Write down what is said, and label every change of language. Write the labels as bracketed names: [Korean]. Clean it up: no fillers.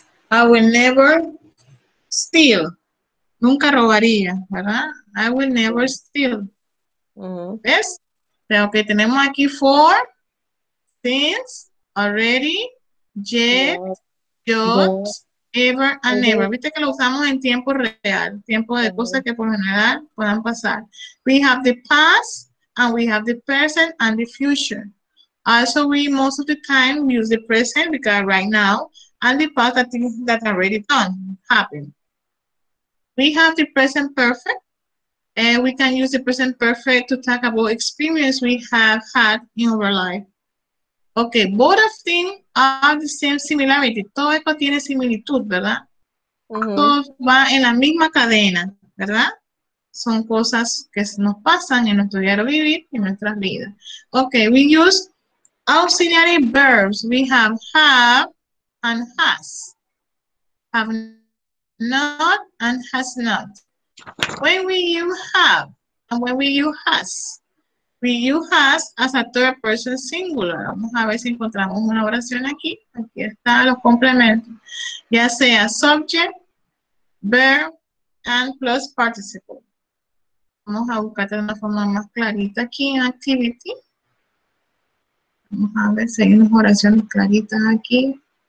[English] I will never steal. [Spanish] Nunca robaría, ¿verdad? [English] I will never steal. [Spanish] ¿Ves? Pero que tenemos aquí for, since, already, yet, just, ever and never. Viste que lo usamos en tiempo real, tiempo de cosas que por general puedan pasar. [English] We have the past, and we have the present and the future. Also, we most of the time use the present because right now, and the past are things that are already done, happened. We have the present perfect, and we can use the present perfect to talk about experience we have had in our life. Okay, both of them have the same similarity. [Spanish] Todo esto tiene similitud, ¿verdad? Todo va en la misma cadena, ¿verdad? Son cosas que nos pasan en nuestro diario vivir y en nuestras vidas. [English] Okay, we use auxiliary verbs. We have and has. Have not and has not. When we use have and when we use has, we use has as a third person singular. [Spanish] Vamos a ver si encontramos una oración aquí. Aquí están los complementos. Ya sea [English] subject, verb, and plus participle. [Spanish] Vamos a buscar de una forma más clarita aquí en activity. Vamos a ver si hay unas oraciones claritas aquí.